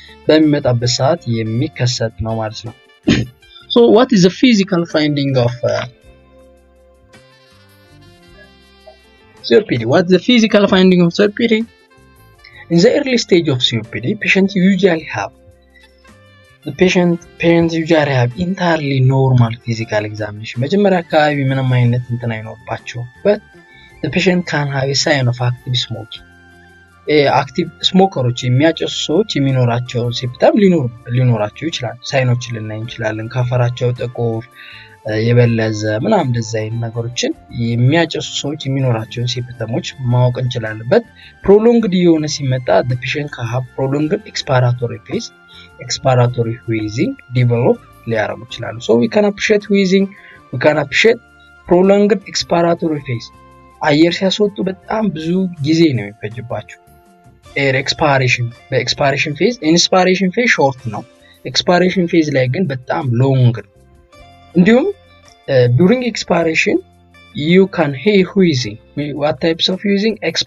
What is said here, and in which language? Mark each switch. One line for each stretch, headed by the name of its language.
Amharic: በሚመጣበት ሰዓት የሚከሰት ነው ማለት ነው።
English: So what is the physical finding of COPD? What's the physical finding of COPD? In the early stage of COPD, patients usually have entirely normal physical examination.
Amharic: መጀመሪያ አካባቢ ምንም አይነት እንትን አይኖርባቸው,
English: but the patient can have a sign of active smoking.
Amharic: አክቲቭ ስሞከሮች የሚያጨሱ ሰዎች የሚኖራቸው ሲምፕተም ሊኖራቸው ይችላል። ሳይኖች ልናይ እንችላለን። ከንፈራቸው ጥቁር የበለዘ ምናምን ዲዛይን ነገሮችን የሚያጨሱ ሰዎች የሚኖራቸውን ሲምፕተሞች ማወቅ እንችላለን። ፕሮሎንግድ የሆነ ሲመጣ
English: the patient can have prolonged expiratory phase, expiratory wheezing
Amharic: develop ሊያረጉ ይችላሉ።
English: So we can appreciate prolonged expiratory phase.
Amharic: አየር ሲያስወጡ በጣም ብዙ ጊዜ ነው የሚፈጅባቸው።
English: air expiration the expiration phase inspiration phase short now expiration phase
Amharic: ላይ ግን በጣም
English: long ነው። እንዲሁም during expiration you can hear wheezing. What types of wheezing?